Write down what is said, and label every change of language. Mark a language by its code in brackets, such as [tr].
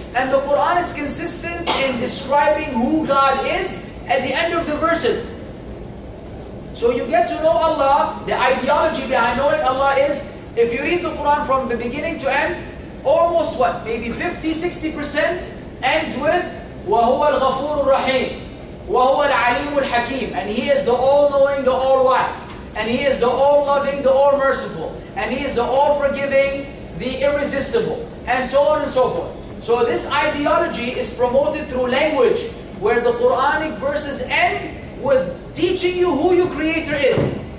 [en] And the Quran is consistent in describing who God is at the end of the verses. So you get to know Allah, the ideology behind knowing Allah is, if you read the Quran from the beginning to end, almost what, maybe 50-60% ends with [ar] وهو الغفور الرحيم وهو العليم الحكيم. [en] And he is the all-knowing, the all-wise. And he is the all-loving, the all-merciful. And he is the all-forgiving, the irresistible. And so on and so forth. So this ideology is promoted through language, where the Quranic verses end with teaching you who your creator is.